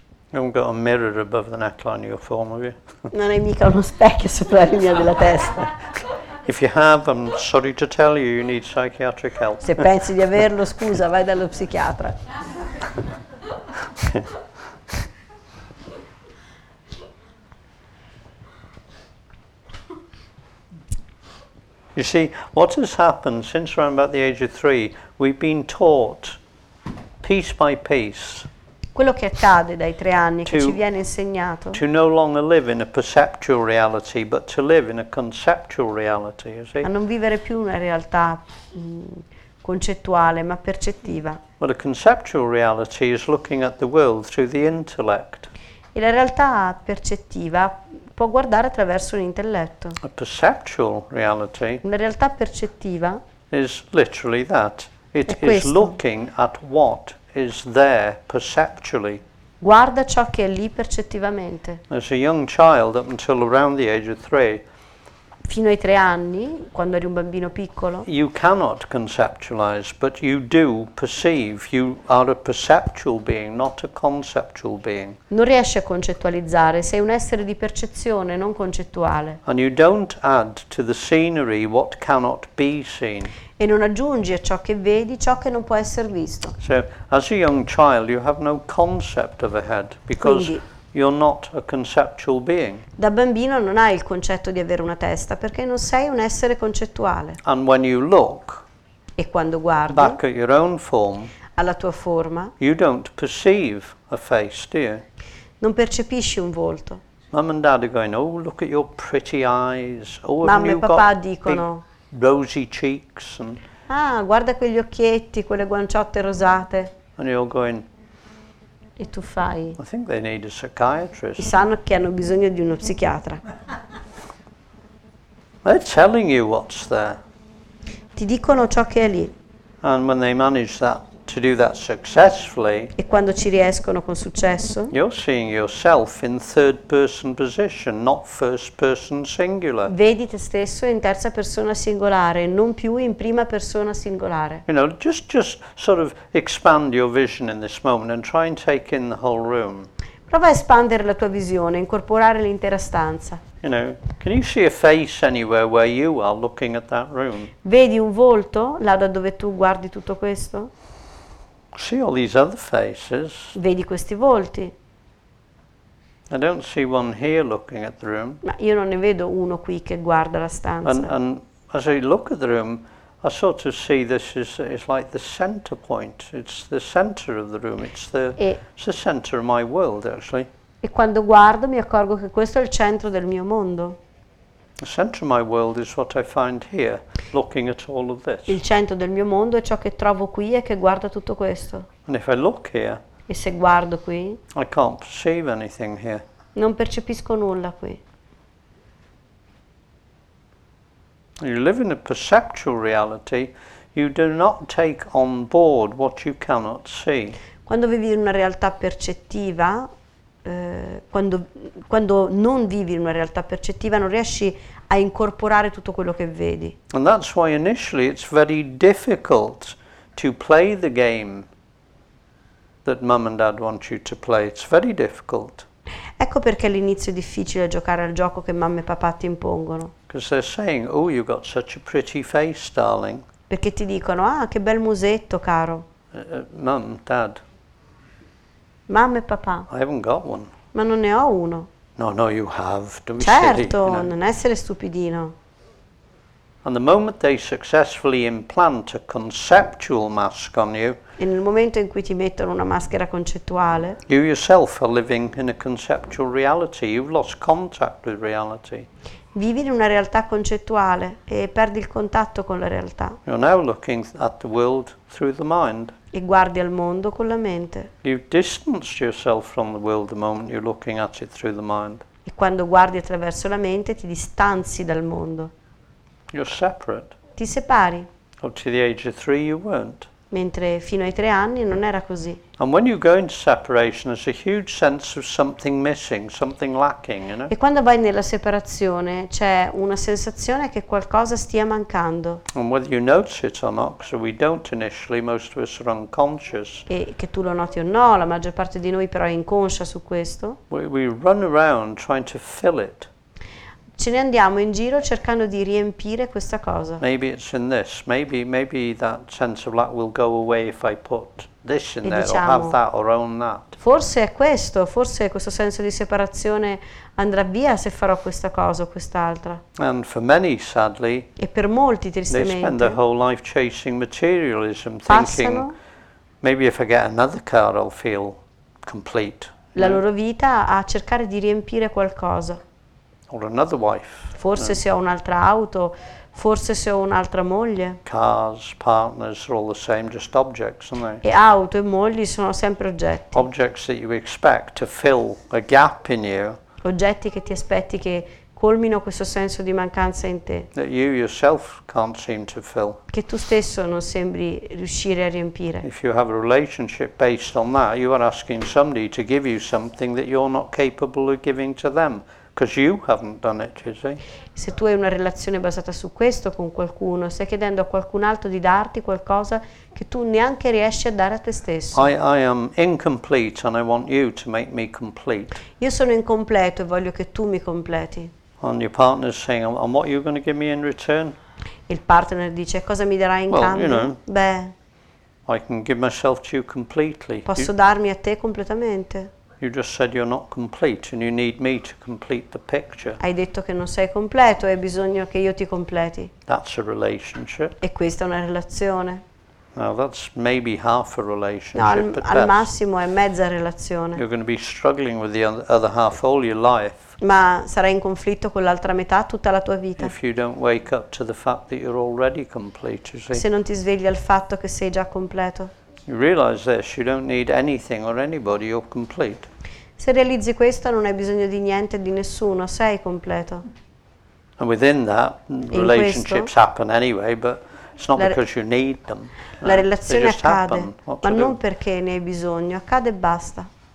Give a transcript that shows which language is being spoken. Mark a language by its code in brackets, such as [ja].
[en] You haven't got a mirror above the neckline of your form, have you? [it] Non hai mica uno specchio sopra la linea della testa. [en] If you have, I'm sorry to tell you, you need psychiatric help. [it] Se pensi di averlo, scusa, vai dallo psichiatra. [en] You see, what has happened since around about the age of three, we've been taught, piece by piece, [it] quello che accade dai tre anni che ci viene insegnato. [en] To no longer live in a perceptual reality, but to live in a conceptual reality, you see? [it] A non vivere più una realtà concettuale, ma percettiva. [en] But a conceptual reality is looking at the world through the intellect. [it] E la realtà percettiva può guardare attraverso l'intelletto. [en] A perceptual reality. [it] Una realtà percettiva. [en] Is literally that. It is looking at what. Is there perceptually. [it] Guarda ciò che è lì percettivamente. [en] As a young child up until around the age of three. [it] Fino ai tre anni, quando eri un bambino piccolo. [en] You cannot conceptualize, but you do perceive. You are a perceptual being, not a conceptual being. [it] Non riesci a concettualizzare, sei un essere di percezione, non concettuale. [en] And you don't add to the scenery what cannot be seen. [it] E non aggiungi a ciò che vedi ciò che non può essere visto. [en] So, as a young child, you have no concept of a head because [it] quindi, [en] you're not a conceptual being. [it] Da bambino non hai il concetto di avere una testa perché non sei un essere concettuale. [en] And when you look, [it] e quando guardi, [en] back at your own form, [it] alla tua forma, [en] you don't perceive a face, do you? [it] Non percepisci un volto. [en] Mom and dad are going, oh, look at your pretty eyes. Oh, [it] mamma e papà dicono. [en] Rosy cheeks and [it] ah, guarda quegli occhietti, quelle guanciotte rosate. [en] And you're going. [it] E tu fai. [en] I think they need a psychiatrist. [it] Sanno che hanno bisogno di uno psichiatra. [en] They're telling you what's there. [it] Ti dicono ciò che è lì. [en] And when they manage that to do that successfully. [it] E quando ci riescono con successo. [en] You're seeing yourself in third person position, not first person singular. [it] Vedi te stesso in terza persona singolare, non più in prima persona singolare. [en] You know, just sort of expand your vision in this moment and try and take in the whole room. [it] Prova a espandere la tua visione, incorporare l'intera stanza. [en] You know, can you see a face anywhere where you are looking at that room? [it] Vedi un volto là da dove tu guardi tutto questo? [en] See all these other faces. [it] Vedi questi volti. [en] I don't see one here looking at the room. [it] Ma io non ne vedo uno qui che guarda la stanza. [en] And as I look at the room, I sort of see this is like the center point. It's the center of the room. It's the center of my world, actually. [it] E quando guardo mi accorgo che questo è il centro del mio mondo. [en] The center of my world is what I find here, looking at all of this. [it] Il centro del mio mondo è ciò che trovo qui e che guardo tutto questo. [en] And if I look here, [it] e se guardo qui, [en] I can't perceive anything here. [it] Non percepisco nulla qui. [en] You live in a perceptual reality, you do not take on board what you cannot see. [it] Quando vivi in una realtà percettiva, quando non vivi in una realtà percettiva non riesci a a incorporare tutto quello che vedi. [en] And that's why initially it's very difficult to play the game that mum and dad want you to play. It's very difficult. [it] Ecco perché all'inizio è difficile giocare al gioco che mamma e papà ti impongono. [en] Because they're saying, oh, you've got such a pretty face, darling. [it] Perché ti dicono, ah, che bel musetto, caro. [en] Mum, dad. [it] Mamma e papà. [en] I haven't got one. [it] Ma non ne ho uno. [en] No, no, you have. Don't be [it] certo, [en] silly, you know. [it] Non essere stupidino. [en] And the moment they successfully implant a conceptual mask on you, [it] e nel momento in cui ti mettono una maschera concettuale, [en] you yourself are living in a conceptual reality. You've lost contact with reality. [it] Vivi in una realtà concettuale e perdi il contatto con la realtà. [en] You're now looking at the world through the mind. [it] E guardi al mondo con la mente. [en] You've distanced yourself from the world the moment you're looking at it through the mind. [it] E quando guardi attraverso la mente ti distanzi dal mondo. [en] You're separate. [it] Ti separi. [en] Until the age of three you weren't. [it] Mentre fino ai tre anni non era così. [en] And when you go into separation there's a huge sense of something missing, something lacking, you know? [it] E quando vai nella separazione c'è una sensazione che qualcosa stia mancando. [en] And whether you notice it or not, so we don't initially, most of us are unconscious. [it] E che tu lo noti o no, la maggior parte di noi però è inconscia su questo. [en] We run around trying to fill it. [it] Ce ne andiamo in giro cercando di riempire questa cosa. [en] Maybe it's in this. Maybe that sense of lack will go away if I put this in there, [it] diciamo, [en] or have that or own that. [it] Forse è questo, forse questo senso di separazione andrà via se farò questa cosa o quest'altra. [en] And for many, sadly, [it] e per molti, tristemente, [en] they spend their whole life chasing materialism, thinking maybe if I get another car I'll feel complete. [it] La loro vita a cercare di riempire qualcosa. [en] Or another wife. [it] Forse no. Se ho un'altra auto, forse se ho un'altra moglie. [en] Cars, partners are all the same, just objects, aren't they? [it] E auto e mogli sono sempre oggetti. [en] Objects that you expect to fill a gap in you. [it] Oggetti che ti aspetti che colmino questo senso di mancanza in te. [en] That you yourself can't seem to fill. [it] Che tu stesso non sembri riuscire a riempire. [en] If you have a relationship based on that, you are asking somebody to give you something that you're not capable of giving to them. Because you haven't done it, you see. [it] Se tu hai una relazione basata su questo con qualcuno, stai chiedendo a qualcun altro di darti qualcosa che tu neanche riesci a dare a te stesso. [en] I am incomplete and I want you to make me complete. [it] Io sono incompleto e voglio che tu mi completi. [en] And your partner's saying, and what are you going to give me in return? [it] Il partner dice, cosa mi darai in cambio? [en] Well, you know, [it] beh, [en] I can give myself to you completely. [it] Posso darmi a te completamente. [en] You just said you're not complete and you need me to complete the picture. [it] Hai detto che non sei completo e hai bisogno che io ti completi. [en] That's a relationship. [it] E questa è una relazione. [en] Now that's maybe half a relationship. [it] No, al massimo è mezza relazione. [en] You're going to be struggling with the other half all your life. [it] Ma sarai in conflitto con l'altra metà tutta la tua vita. [en] If you don't wake up to the fact that you're already complete, you see. [it] Se non ti svegli al fatto che sei già completo. [en] You realize this, you don't need anything or anybody, you're complete. [it] Se realizzi questo non hai bisogno di niente, di nessuno, sei completo. [en] And within that, relationships happen anyway, but it's not because you need them. [it] La relazione accade, ma non perché ne hai bisogno, accade e basta.